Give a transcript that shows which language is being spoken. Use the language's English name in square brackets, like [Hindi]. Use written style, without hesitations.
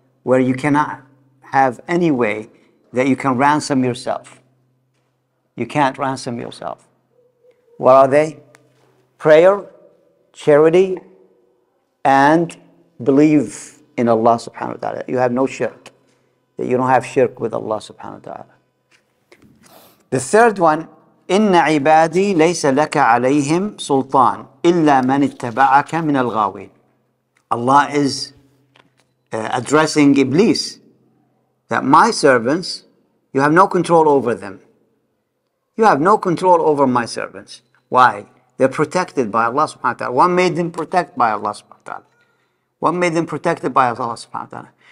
[English] Where you cannot have any way that you can ransom yourself. You can't ransom yourself. What are they? Prayer, charity, and believe in Allah subhanahu wa ta'ala. You have no shirk. That you don't have shirk with Allah subhanahu wa ta'ala. The third one, [Arabic] إِنَّ عِبَادِي لَيْسَ لَكَ عَلَيْهِمْ سُلْطَانٌ إِلَّا مَنِ اتَّبَعَكَ مِنَ الْغَاوِينَ. [English] Allah is addressing Iblis, that my servants, you have no control over them. You have no control over my servants. Why? They're protected by Allah subhanahu wa ta'ala. What made them protected by Allah subhanahu wa ta'ala? What made them protected by Allah subhanahu wa ta'ala?